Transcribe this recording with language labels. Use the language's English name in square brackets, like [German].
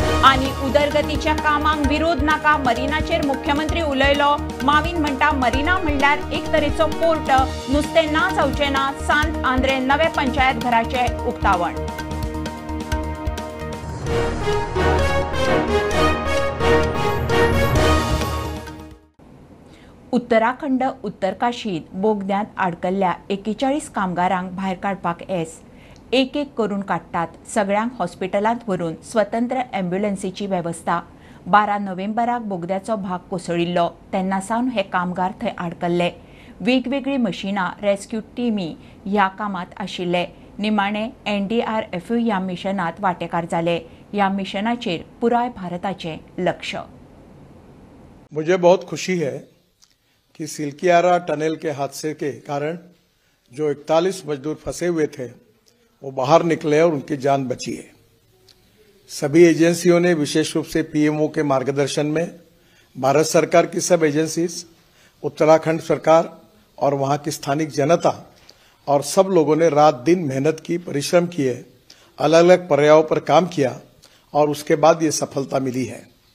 [Goan Konkani] आनी उदरगतीच्या कामांक विरोध नाका. मरीनाचेर मुख्यमंत्री उलयलो. मावीन म्हणटा मरीना म्हणल्यार एक तरेचो पोर्ट. नुस्तें ना जावचें ना. सांत आंद्रे नवे पंचायत घराचे उक्तावण. उत्तराखंड उत्तरकाशीत बोगद्यांत अडकल्ल्या 41 कामगारांक भायर काडपाक एस एक एक करून काडटात. सगळ्यांक हॉस्पिटलांत व्हरून स्वतंत्र अँब्युलन्सीची वेवस्था. 12 नोव्हेंबराक बोगद्याचो भाग कोसळिल्लो तेन्ना सावन हे कामगार थंय अडकल्ले. वेगवेगळी मशिनां रेस्क्यू टिमी ह्या कामांत आशिल्ले. निमाणे NDRFU ह्या मिशनांत वांटेकार जाले. ह्या मिशनाचेर पुराय भारताचें लक्ष. [Hindi] मुझे बहुत खुशी है कि सिल्कियारा टनल के हादसे के कारण जो 41 मजदूर फंसे हुए थे वो बाहर निकले और उनकी जान बची है. सभी एजेंसियों ने विशेष रूप से PMO के मार्गदर्शन में भारत सरकार की सब एजेंसीज, उत्तराखंड सरकार और वहाँ की स्थानीय जनता और सब लोगों ने रात दिन मेहनत की, परिश्रम किए, अलग अलग पर्यायों पर काम किया और उसके बाद ये सफलता मिली है.